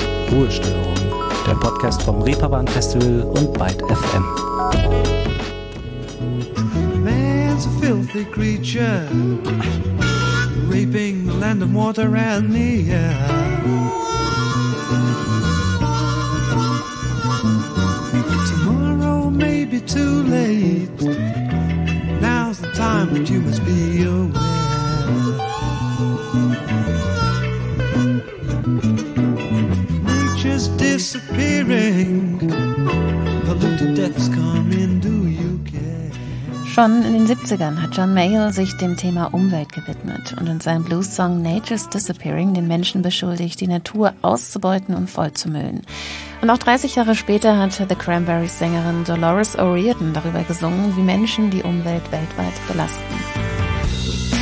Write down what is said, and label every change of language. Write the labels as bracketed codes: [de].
[de] Mittelstörung, der Podcast vom Reeperbahn Festival und Byte FM. [en] Man's a filthy creature, reaping the land of water and the air. Tomorrow may be too late. Now's the time that you must be aware. Nature's disappearing. Polluted death's coming, do you care? [de] Schon in den 70ern hat John Mayall sich dem Thema Umwelt gewidmet und in seinem Blues-Song Nature's Disappearing den Menschen beschuldigt, die Natur auszubeuten und vollzumüllen. Und auch 30 Jahre später hat The Cranberries-Sängerin Dolores O'Riordan darüber gesungen, wie Menschen die Umwelt weltweit belasten.